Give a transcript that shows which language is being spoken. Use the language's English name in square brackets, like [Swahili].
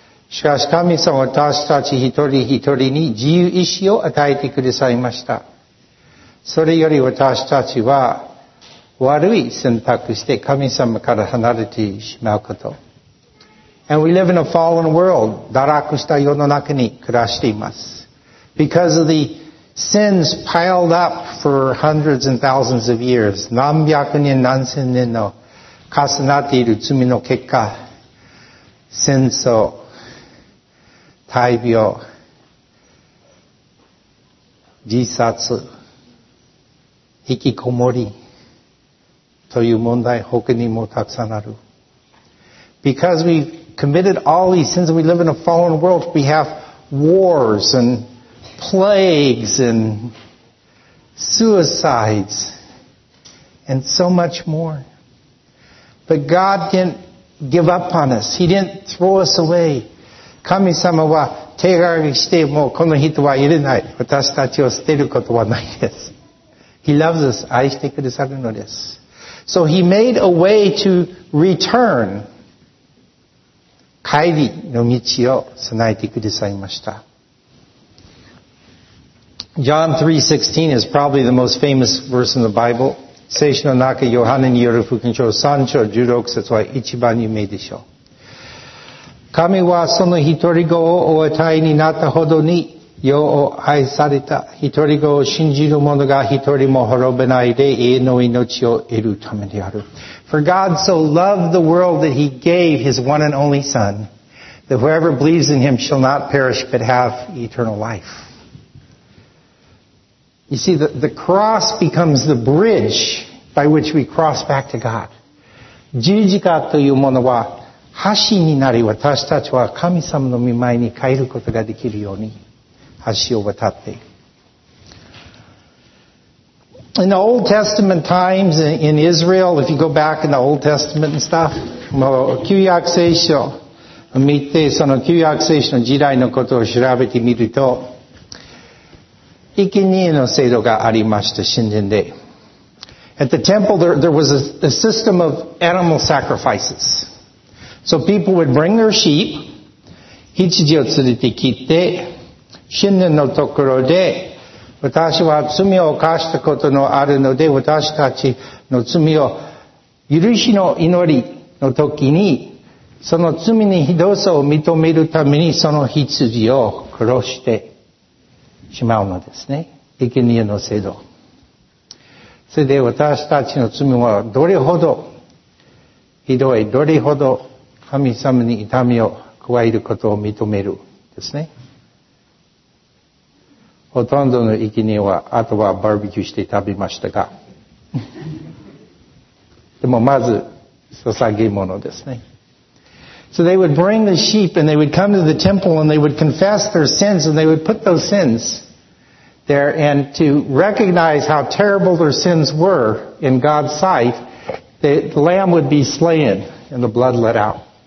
[Japanese] しかし神様は私たち一人一人に自由意志を与えてくださいました。それより私たちは悪い選択して神様から離れてしまうこと。 [English] And we live in a fallen world. [Japanese] 堕落した世の中に暮らしています。 [English] Because of the sins piled up for hundreds and thousands of years. [Japanese] 何百年何千年の重なっている罪の結果、戦争、大病、自殺、引きこもりという問題、他にもたくさんある。 [English] Because we committed all these sins and we live in a fallen world, we have wars and plagues and suicides and so much more. But God didn't give up on us. He didn't throw us away. [Japanese] 神様は手がかりしてもうこの人はいれない。私たちを捨てることはないです。 [English] He loves us. [Japanese] 愛してくださるのです。 [English] So He made a way to return. [Japanese] 帰りの道を備えてくださいました。 [English] John 3:16 is probably the most famous verse in the Bible. [Japanese] 聖書の中、ヨハネによる福音書3章16節は一番有名でしょう。神はその一人子をお与えになったほどに世を愛された。一人子を信じる者が一人も滅べないで永遠の命を得るためである。 [English] For God so loved the world that he gave his one and only son, that whoever believes in him shall not perish but have eternal life. You see, the cross becomes the bridge by which we cross back to God. [Japanese] 十字架というものは橋になり、私たちは神様の御前に帰ることができるように橋を渡って。 [English] In the Old Testament times in Israel, if you go back in the Old Testament and stuff, [Japanese] もう旧約聖書を見て、その旧約聖書の時代のことを調べてみると、生贄の制度がありました、神殿で。 [English] At the temple, there was a system of animal sacrifices. So people would bring their sheep, [Japanese] 羊を連れてきて、神殿のところで、私は罪を犯したことのあるので、私たちの罪を許しの祈りの時に、その罪にひどさを認めるために、その羊を殺して、しまうのですね。生贄の制度。それで私たちの罪はどれほどひどい、どれほど神様に痛みを加えることを認めるですね。ほとんどの生贄は、あとはバーベキューして食べましたが。でもまず、捧げ物ですね。 [English] So they would bring the sheep and they would come to the temple and they would confess their sins and they would put those sins there and to recognize how terrible their sins were in God's sight, the lamb would be slain and the blood let out.